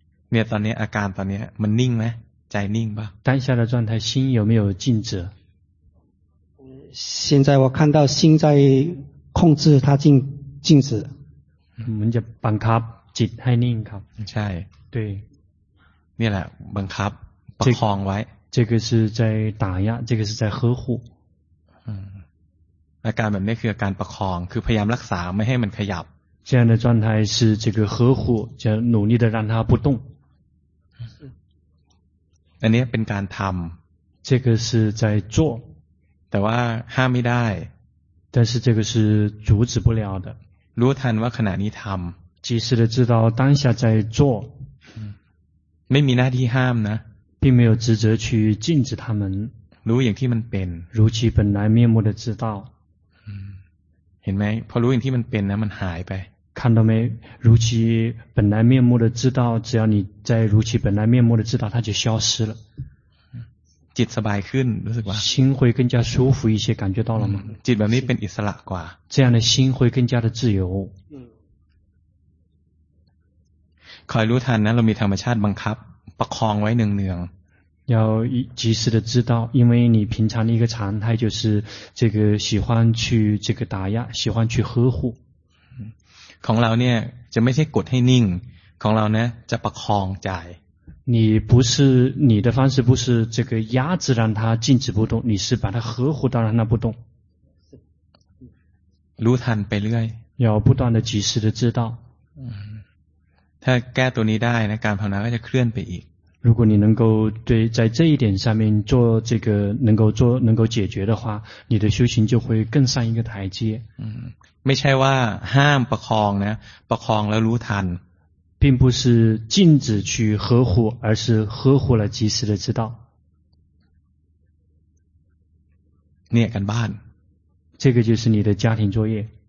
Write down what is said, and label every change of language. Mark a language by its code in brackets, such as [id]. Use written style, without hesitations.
[th] เนี่ยตอนนี้อาการตอนนี้มันนิ่งไหมใจนิ่งป่ะ [zh] 当下的状态心有没有静止现在我看到心在控制它静止 [th] มันจะบังคับจิตให้นิ่งครับ ใช่ [zh] 对 [th] นี่แหละบังคับประคองไว้ [zh] 这个是在打压这个是在呵护 [th] อาการแบบนี้คืออาการประคองคือพยายามรักษาไม่ให้มันขยับ [zh] 这样的状态是这个呵护就努力的让它不动 [th] อันนี้เป็นการทำ [zh] 这个是在做 [th] แต่ว่าห้ามไม่ได้ [zh] 但是这个是阻止不了的 [th] รู้ทันว่าขณะนี้ทำ [zh] 及时的知道当下在做 [th] ไม่มีหน้าที่ห้ามนะ [zh] 并没有职责去禁止他们 [th] รู้อย่างที่มันเป็น [zh] 如其本来面目的知道 [th] เห็นไหมพอรู้อย่างที่มันเป็นนะมันหายไป [zh] 看到没如其本来面目的知道只要你在如其本来面目的知道它就消失了 [th] จิตสบายขึ้นรู้สึกว่า [zh] 心会更加舒服一些感觉到了吗 [th] จิตแบบนี้เป็นอิสระกว่า [zh] 这样的心会更加的自由 [th] คอยรู้ทันนะเรามีธรรมชาติบังคับประคองไว้เนือง [zh] 要及时的知道因为你平常的一个常态就是这个喜欢去这个打压喜欢去呵护 [th] ของเราเนี่ยจะไม่ใช่กดให้นิ่งของเราเนี่ยจะประคองใจ [zh] 你不是你的方式不是这个压制让它静止不动你是把它呵护到让它不动 [th] รู้ทันไปเรื่อย [zh] 要不断的及时的知道 [th] ถ้าแก้ตัวนี้ได้นะการภาวนาก็จะเคลื่อนไปอีก [zh] 如果你能够对在这一点上面做这个能够做能够解决的话你的修行就会更上一个台阶 [th] ไม่ใช่ว่าห้ามประคองนะประคองแล้วรู้ทัน [zh] 并不是禁止去呵护而是呵护了及时的知道 [th] เนี่ยกันบ้าน [zh] 这个就是你的家庭作业